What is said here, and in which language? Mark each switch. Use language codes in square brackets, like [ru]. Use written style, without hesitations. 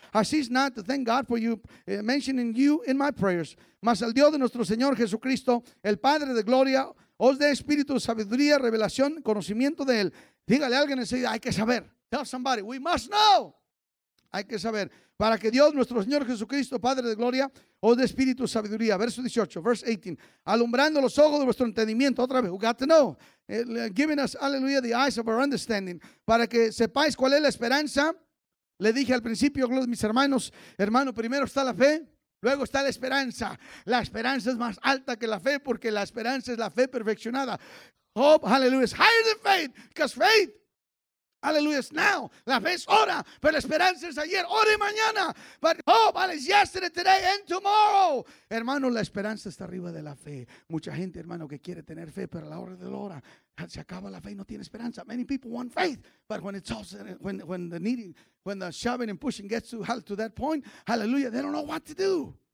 [en] I cease not to thank God for you, mentioning you in my prayers. [es] Mas al Dios de nuestro Señor Jesucristo, el Padre de gloria, os dé espíritu de sabiduría, revelación, conocimiento de Él. Dígale a alguien enseguida, hay que saber. [en] Tell somebody, we must know. [es] Hay que saber. Para que Dios, nuestro Señor Jesucristo, Padre de gloria, os dé espíritu de sabiduría. Verso 18, verse 18. Alumbrando los ojos de vuestro entendimiento. Otra vez, [en] we got to know. Giving us, hallelujah, the eyes of our understanding. [es] Para que sepáis cuál es la esperanza. Le dije al principio, gloria a mis hermanos. Hermano, primero está la fe. Luego está la esperanza. La esperanza es más alta que la fe porque la esperanza es la fe perfeccionada. [en] Hope, hallelujah, is higher than faith. Because faith. Hallelujah, it's now. [es] La fe es ahora, pero la esperanza es ayer, hoy y mañana. [en] But hope is yesterday, today, and tomorrow. [es] Hermano, la esperanza está arriba de la fe. Mucha gente, hermano, que quiere tener fe, pero a la hora de la hora, se acaba la fe y no tiene esperanza. [en] Many people want faith, but when it's all, when the needing, when the shoving and pushing gets to that point, hallelujah, they don't know what to do.